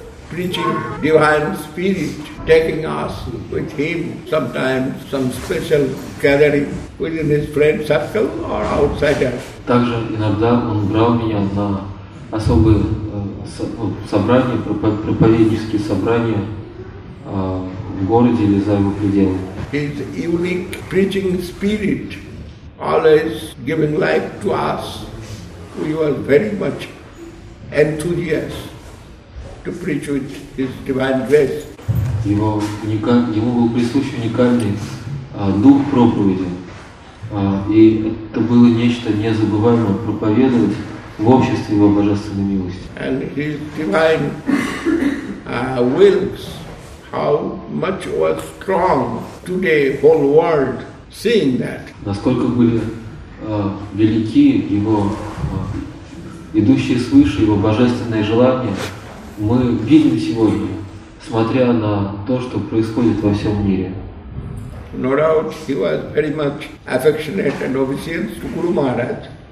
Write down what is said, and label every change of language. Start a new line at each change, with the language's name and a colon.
English: Preaching divine spirit, taking us with him sometimes some special gathering within his friend circle or outsider.
Russian: Также иногда он брал меня на особые собрания, проповеднические собрания в городе или за его пределами.
English: His unique preaching spirit, always giving life to us, we were very much enthusiastic to preach with his divine grace.
Russian: Ему был присущ уникальный дух проповеди, и это было нечто незабываемое проповедовать в обществе его божественной милости.
English: And his divine wills, how much was strong today, whole world seeing that.
Russian: Насколько были велики его идущие свыше его божественные желания. Мы видим сегодня, смотря на то, что происходит во всем мире.
English: No doubt, he was very much affectionate and obedient to Guru Maharaj.